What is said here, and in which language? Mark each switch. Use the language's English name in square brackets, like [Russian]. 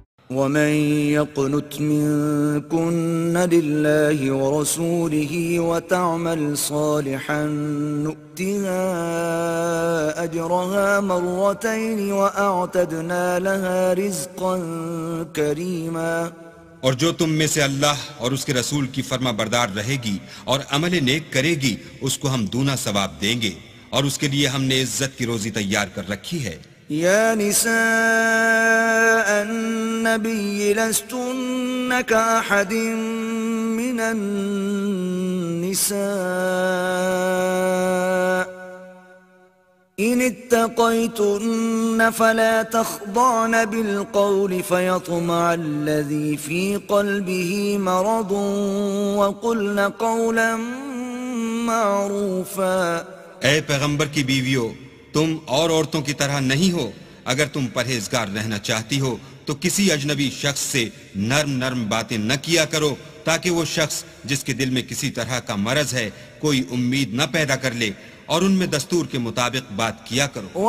[Arabic] ومن يقنت منكن لله ورسوله وتعمل صالحا نؤتها أجرها مرتين وأعتدنا لها رزقا كريما. [Urdu] اور جو تم میں سے اللہ اور اس کے رسول کی فرما بردار رہے گی اور عمل نیک کرے گی اس کو ہم دونا ثواب دیں گے اور اس کے لیے ہم نے عزت کی روزی تیار کر رکھی ہے. [Arabic] يا نساء النبي لستن كأحد من النساء إن اتقيتن فلا تخضعن بالقول فيطمع الذي في قلبه مرض وقلن قولا معروفا. [Urdu] اے پیغمبر کی بیویو، تم اور عورتوں کی طرح نہیں ہو، اگر تم پرہیزگار رہنا چاہتی ہو تو کسی اجنبی شخص سے نرم نرم باتیں نہ کیا کرو تاکہ وہ شخص جس کے دل میں کسی طرح کا مرض ہے کوئی امید نہ پیدا کر لے، اور ان میں دستور کے مطابق بات کیا کرو.